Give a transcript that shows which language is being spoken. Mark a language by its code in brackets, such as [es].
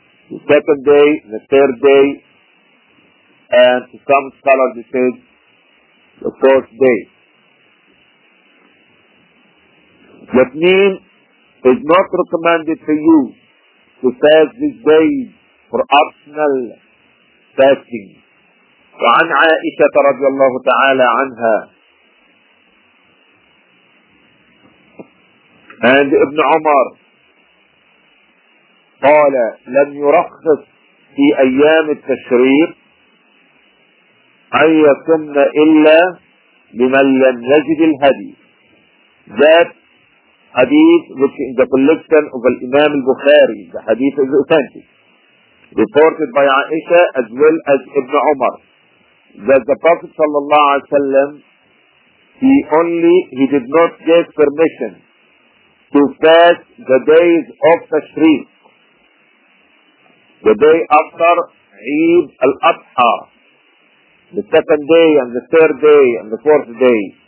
[en] The second day, the third day, and to some scholars it says the fourth day. That means it's not recommended for you to fast this day for optional fasting. [ar] وعن عائشة رضي الله تعالى عنها and ابن عمر قال لم يرخص في أيام التشريق أن يصمن إلا لمن لم يجد الهدي. [en] That hadith which in the collection of Imam al-Bukhari, the hadith is authentic, reported by Aisha as well as Ibn Umar, that the Prophet sallallahu alayhi wa sallam, he did not get permission to fast the days of Tashriq, the day after Eid al-Adha, the second day and the third day and the fourth day.